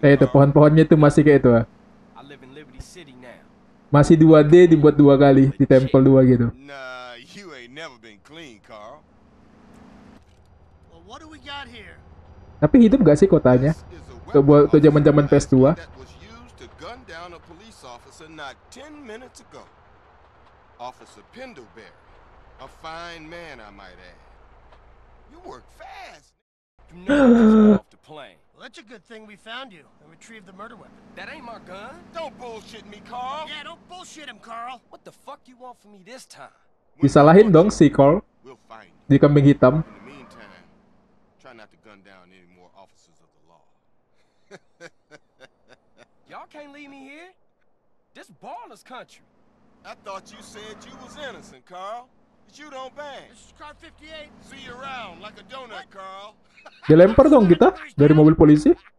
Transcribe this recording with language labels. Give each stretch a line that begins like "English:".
Indonesian: Itu pohon-pohonnya tuh masih kayak itu.
English: I live in Liberty City now.
Indonesian: Masih 2D dibuat dua kali di tempel dua gitu.
English: Nah, you ain't never been clean, Carl. Well, what do we got here?
Indonesian: Tapi hidup gak sih kotanya? Tuh zaman-zaman PS2.
English: Gun down a police officer not 10 minutes ago. Officer Pendleberry, a fine man I might add. You work fast. You never get off the plane. Well, that's a good thing we found you and retrieved the murder weapon. That ain't my gun. Don't bullshit me, Carl. Yeah, don't bullshit him, Carl. What the fuck you want from me this time?
Indonesian: Disalahin dong si Carl.
English: We'll find you.
Indonesian: Di kambing hitam.
English: In the meantime, try not to gun down any more officers of the law. Y'all can't leave me here. This baller's country. I thought you said you was innocent, Carl. But you don't bang. This is car 58. See you around like a donut, what? Carl.
Indonesian: Dilempar dong kita dari mobil polisi.